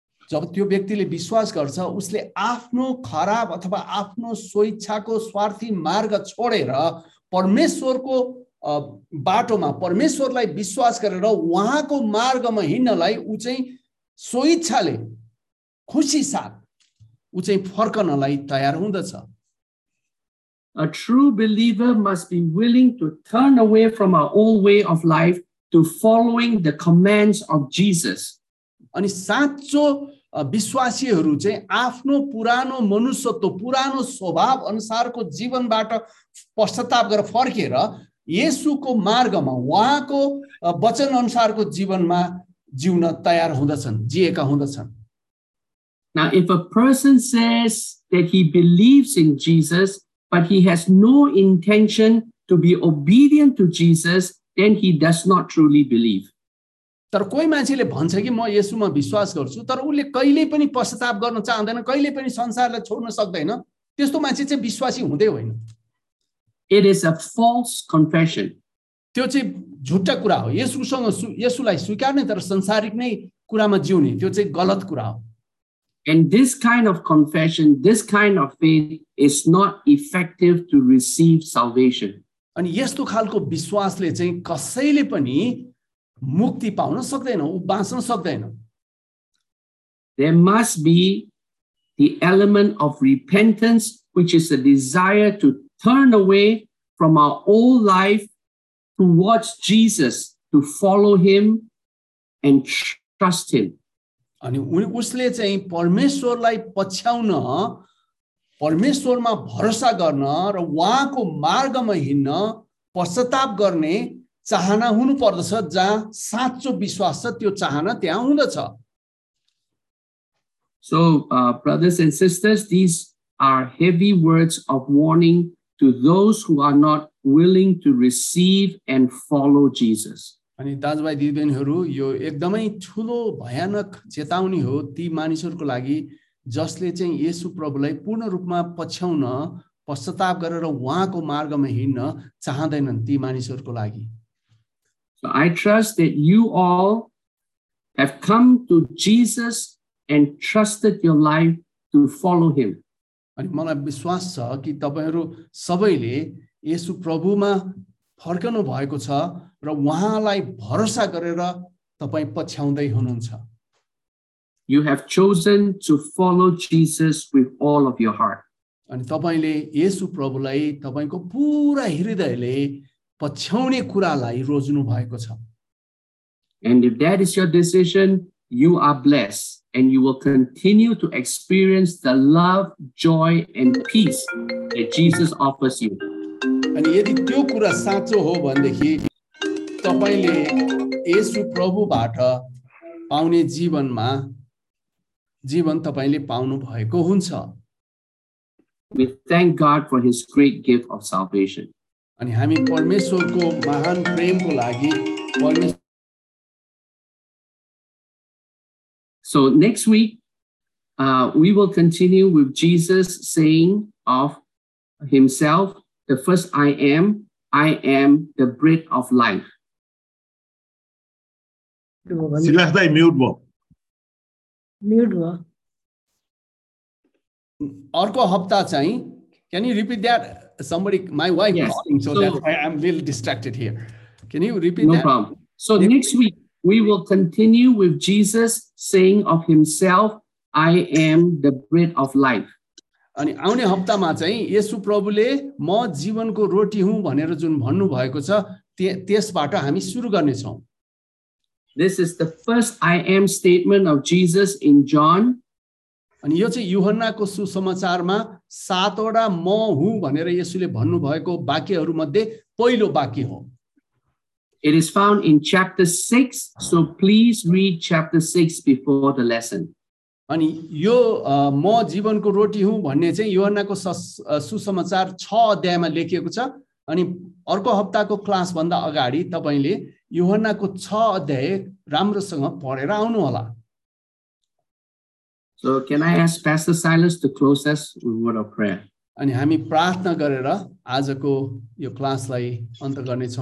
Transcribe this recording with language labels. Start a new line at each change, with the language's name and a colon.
Nepali: जब त्यो व्यक्तिले विश्वास गर्छ उसले आफ्नो खराब अथवा आफ्नो स्वेच्छाको स्वार्थी मार्ग छोडेर परमेश्वरको बाटोमा परमेश्वरलाई विश्वास गरेर उहाँको मार्गमा हिँड्नलाई ऊ चाहिँ स्वेच्छाले खुसी साथ ऊ चाहिँ फर्कनलाई तयार हुँदछ.
English: A true believer must be willing to turn away from our old way of life to following the commands of Jesus.
Nepali: अनि साँचो विश्वासीहरू चाहिँ आफ्नो पुरानो मनुष्यत्व पुरानो स्वभाव अनुसारको जीवनबाट पश्चाताप गरेर फर्केर येशूको मार्गमा उहाँको वचन अनुसारको जीवनमा जिउन तयार हुँदछन् जिएका हुँदछन्.
English: Now if a person says that he believes in Jesus but he has no intention to be obedient to Jesus, then he does not truly believe.
Nepali: तर कोही मान्छेले भन्छ कि म येशूमा विश्वास गर्छु तर उसले कहिले पनि पश्चाताप गर्न चाहँदैन कहिले पनि संसारलाई छोड्न सक्दैन त्यस्तो मान्छे चाहिँ विश्वासी हुँदै होइन.
English: It is a false confession.
Nepali: त्यो चाहिँ झुटा कुरा हो. येशूसँग येशूलाई स्वीकार्ने तर संसारिक नै कुरामा जिउने त्यो चाहिँ गलत कुरा हो.
English: And this kind of confession, this kind of faith is not effective to receive salvation.
Nepali: अनि यस्तो खालको विश्वासले चाहिँ कसैले पनि मुक्ति पाउन सक्दैन ऊ बाँच्न सक्दैन.
English: There must be the element of repentance, which is a desire to turn away from our old life towards Jesus, to follow him and trust him.
Nepali: अनि उसले चाहिँ परमेश्वरलाई पछ्याउन परमेश्वरमा भरोसा गर्न र उहाँको मार्गमा हिँड्न पश्चाताप गर्ने चाहना हुनु पर्दछ. जहाँ साँचो विश्वास छ त्यो चाहना त्यहाँ हुँदछ.
English: So brothers and sisters, these are heavy words of warning to those who are not willing to receive and follow Jesus.
Nepali: अनि दाजुभाइ दिदीबहिनीहरू, यो एकदमै ठुलो भयानक चेतावनी हो ती मानिसहरूको लागि जसले चाहिँ येशू प्रभुलाई पूर्ण रूपमा पछ्याउन पश्चाताप गरेर उहाँको मार्गमा हिँड्न चाहँदैनन् ती मानिसहरूको लागि.
English: So I trust that you all have come to Jesus and trusted your life to follow him.
Nepali: अनि मलाई विश्वास छ कि तपाईँहरू सबैले येशू प्रभुमा फर्कनु भएको छ र उहाँलाई भरोसा गरेर तपाईँ पछ्याउँदै हुनुहुन्छ.
English: You have chosen to follow Jesus with all of your heart.
Nepali: अनि तपाईँले येशू प्रभुलाई तपाईँको पुरा हृदयले पछ्याउने कुरालाई रोज्नु भएको छ.
English: And if that is your decision, you are blessed and you will continue to experience the love, joy and peace that Jesus offers you.
Nepali: अनि यदि त्यो कुरा साँचो हो भनेदेखि तपाईँले येशू प्रभुबाट पाउने जीवनमा जीवन तपाईँले पाउनु भएको हुन्छ.
English: We thank God for his great gift of salvation.
Nepali: अनि हामी परमेश्वरको महान प्रेमको लागि
English: So next week we will continue with Jesus saying of himself, the first I am the bread of life.
Nepali: सिलाहदाई mute भयो. अर्को हप्ता चाहिँ
English: can you repeat that? Somebody, my wife yes. calling, so that I am a little distracted here. Can you repeat no that? No problem. So next week, we will continue with Jesus saying of himself, I am the bread of life.
Nepali: अनि आउने हप्तामा चाहिँ येशू प्रभुले म जीवनको रोटी हुँ भनेर जुन भन्नुभएको छ त्यसबाट हामी सुरु गर्नेछौँ.
English: This is the first I am statement of Jesus in John.
Nepali: अनि यो चाहिँ युहन्नाको सुसमाचारमा सातवटा म हुँ भनेर येशूले भन्नुभएको वाक्यहरू मध्ये पहिलो वाक्य हो.
English: It is found in chapter 6, so please read chapter 6 before the lesson.
Nepali: अनि यो म जीवनको रोटी हुँ भन्ने चाहिँ युहन्नाको सुसमाचार 6 अध्यायमा लेखिएको छ. अनि अर्को हप्ताको क्लास भन्दा अगाडि तपाईँले युहन्नाको 6 अध्याय राम्रोसँग पढेर आउनु होला.
English: So can I ask Pastor Silas to close us with a word of prayer?
Nepali: अनि हामी प्रार्थना गरेर आजको यो क्लासलाई अन्त गर्नेछौँ.